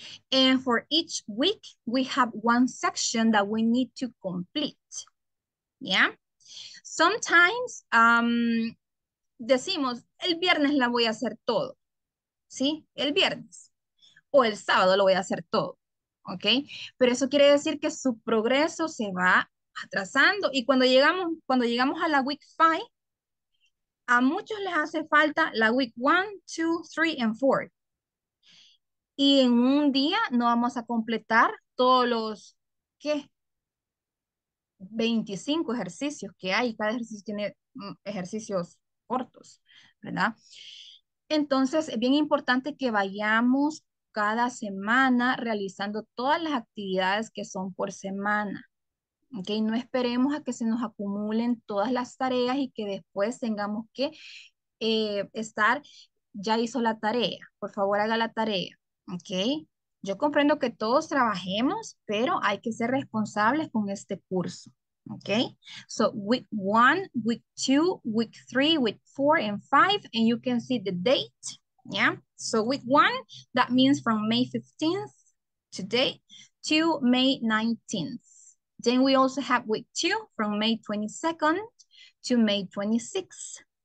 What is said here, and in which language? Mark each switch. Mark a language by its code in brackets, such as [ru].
[en] And for each week, we have one section that we need to complete. Yeah? [es] Sometimes, decimos, el viernes la voy a hacer todo, ¿sí? El viernes. O el sábado lo voy a hacer todo, ¿ok? Pero eso quiere decir que su progreso se va atrasando. Y cuando llegamos a la week 5, a muchos les hace falta la week 1, 2, 3, and 4. Y en un día no vamos a completar todos los, ¿qué? 25 ejercicios que hay. Cada ejercicio tiene ejercicios cortos, ¿verdad? Entonces, es bien importante que vayamos cada semana realizando todas las actividades que son por semana, ¿ok? No esperemos a que se nos acumulen todas las tareas y que después tengamos que estar, ya hizo la tarea, por favor haga la tarea, ¿ok? Yo comprendo que todos trabajemos, pero hay que ser responsables con este curso. [en] Okay, so week 1, week 2, week 3, week 4, and 5, and you can see the date, Yeah, so week one, that means from May 15th today to May 19th. Then we also have week two from May 22nd to May 26th.